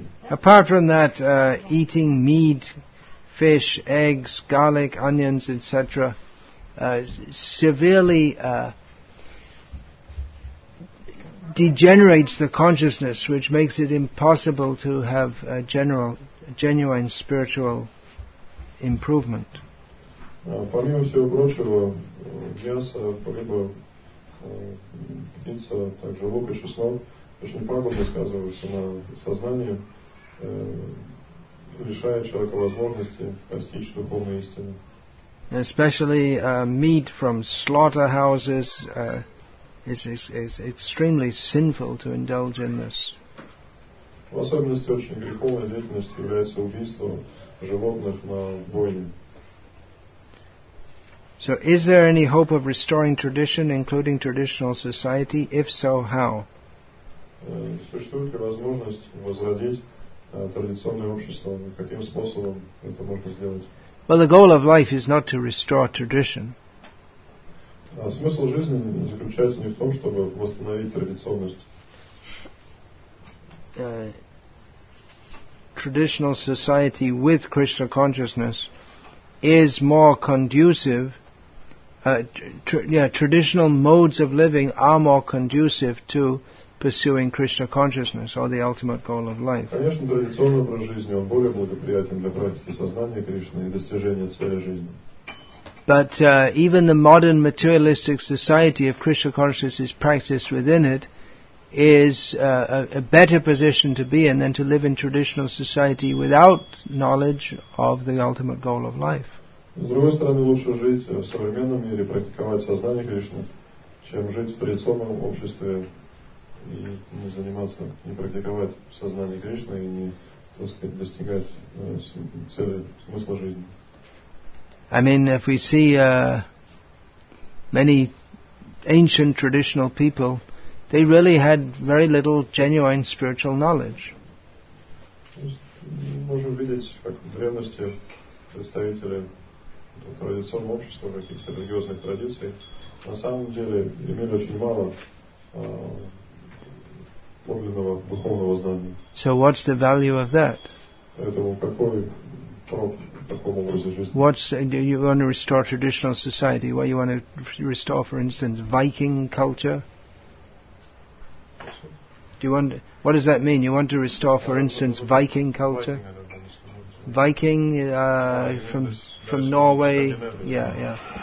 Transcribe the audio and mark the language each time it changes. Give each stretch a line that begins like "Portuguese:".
English: Apart from that, eating meat, fish, eggs, garlic, onions, etc., severely degenerates the consciousness, which makes it impossible to have a genuine spiritual improvement.
Russian: Помимо всего прочего, мясо, рыба, птица, также лук и шеснок очень пагубно сказываются на сознание, лишая человека возможности постичь духовную истину.
English: Especially meat from slaughterhouses is extremely sinful to indulge in this.
Russian: В особенности очень греховной деятельностью является убийство животных на бойне.
English: So is there any hope of restoring tradition, including traditional society? If so, how?
Russian: Существует ли возможность возродить традиционное общество? Каким способом это можно сделать?
English: Well, the goal of life is not to restore tradition.
Russian: Смысл жизни заключается не в том, чтобы восстановить традиционность.
English: Traditional society with Krishna consciousness is more conducive. Traditional modes of living are more conducive to pursuing Krishna consciousness or the ultimate goal of life.
Russian: Конечно, традиционный образ жизни он более благоприятен для практики сознания Кришны и достижения цели жизни.
English: But even the modern materialistic society, if Krishna consciousness is practiced within it, is a better position to be in than to live in traditional society without knowledge of the ultimate goal of life.
Russian: С другой стороны, лучше жить в современном мире, практиковать сознание Кришны, чем жить в традиционном обществе и не заниматься, не практиковать сознание Кришны и не, так сказать, достигать цели, смысла жизни.
English: I mean, if we see many ancient traditional people, they really had very little genuine spiritual knowledge.
Russian: Мы можем видеть, как в древности представители традиционного общества, каких-то религиозных традиций, на самом деле имели очень мало подлинного духовного знания.
English: So what's the value of that?
Russian: Поэтому какой прок такому образу жизни?
English: What's, do you want to restore traditional society? Why you want to restore, for instance, Viking culture? Do you want, what does that mean? You want to restore, for instance, Viking culture? Viking from Norway, yeah.